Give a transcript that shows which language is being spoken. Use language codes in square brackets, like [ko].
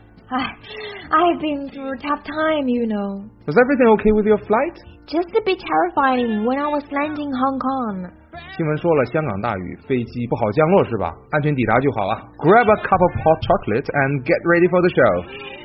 [en] I've been through a tough time, you know. Was everything okay with your flight? Just a bit terrifying when I was landing in Hong Kong. [zh] 新闻说了香港大雨，飞机不好降落是吧？安全抵达就好了。 [en] Grab a cup of hot chocolate and get ready for the show.